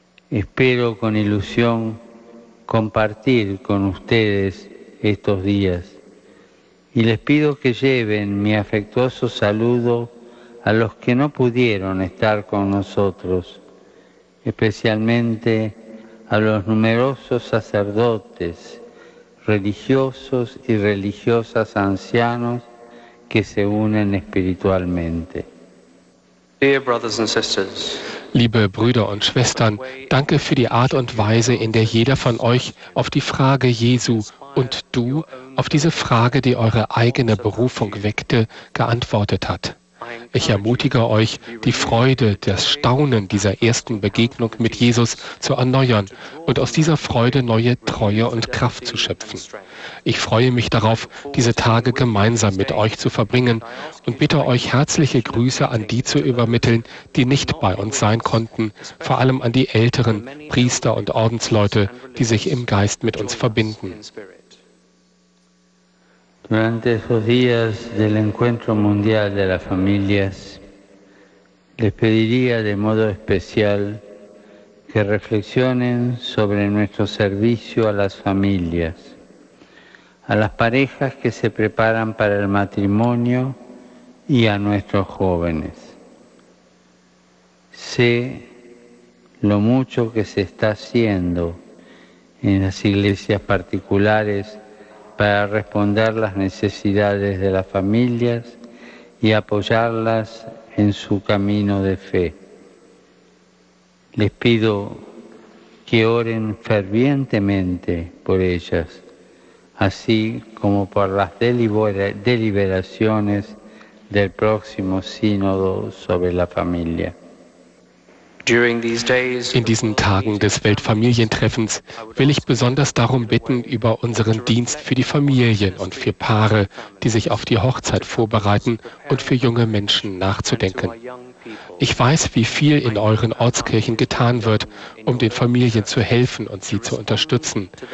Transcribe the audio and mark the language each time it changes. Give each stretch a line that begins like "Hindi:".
Spanish: Espero con ilusión compartir con ustedes estos días y les pido que lleven mi afectuoso saludo a los que no pudieron estar con nosotros, especialmente a los numerosos sacerdotes, religiosos y religiosas ancianos que se unen espiritualmente.
English: Dear brothers and sisters,
German: liebe Brüder und Schwestern, danke für die Art und Weise, in der jeder von euch auf die Frage Jesu und du, auf diese Frage, die eure eigene Berufung weckte, geantwortet hat. Ich ermutige euch, die Freude, das Staunen dieser ersten Begegnung mit Jesus zu erneuern und aus dieser Freude neue Treue und Kraft zu schöpfen. Ich freue mich darauf, diese Tage gemeinsam mit euch zu verbringen und bitte euch, herzliche Grüße an die zu übermitteln, die nicht bei uns sein konnten, vor allem an die älteren Priester und Ordensleute, die sich im Geist mit uns verbinden.
Spanish: Durante esos días del Encuentro Mundial de las Familias, les pediría de modo especial que reflexionen sobre nuestro servicio a las familias, a las parejas que se preparan para el matrimonio y a nuestros jóvenes. Sé lo mucho que se está haciendo en las iglesias particulares para responder las necesidades de las familias y apoyarlas en su camino de fe. Les pido que oren fervientemente por ellas, así como por las deliberaciones del próximo sínodo sobre la familia.
German: In diesen Tagen des Weltfamilientreffens will ich besonders darum bitten, über unseren Dienst für die Familien und für Paare, die sich auf die Hochzeit vorbereiten, und für junge Menschen nachzudenken. Ich weiß, wie viel in euren Ortskirchen getan wird, um den Familien zu helfen und sie zu unterstützen.